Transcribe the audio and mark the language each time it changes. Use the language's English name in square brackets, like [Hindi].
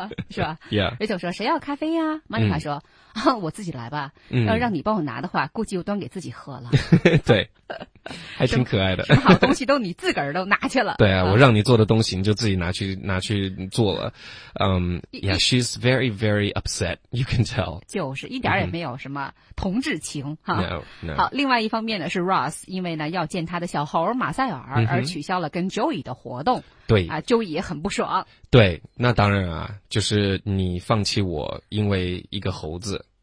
[Chinese] 是吧 [English] ,Yeah.Rachel [Chinese] 说谁要咖啡呀，莫妮卡说、嗯啊、我自己来吧，要让你帮我拿的话、嗯、估计又端给自己喝了。对，还挺可爱的。什么好东西都你自个儿都拿去了。对啊、嗯、我让你做的东西你就自己拿去做了。 [English] Yeah, she's very, very upset, you can tell. [Chinese] 就是一点也没有什么同志情、 [English] 嗯、No, no. [Chinese] 好，另外一方面呢是 Ross, 因为呢要见他的小猴马赛尔、嗯、而取消了跟 Joey 的活动。对。啊 ,Joey 也很不爽。对，那当然啊，就是你放弃我因为一个猴子。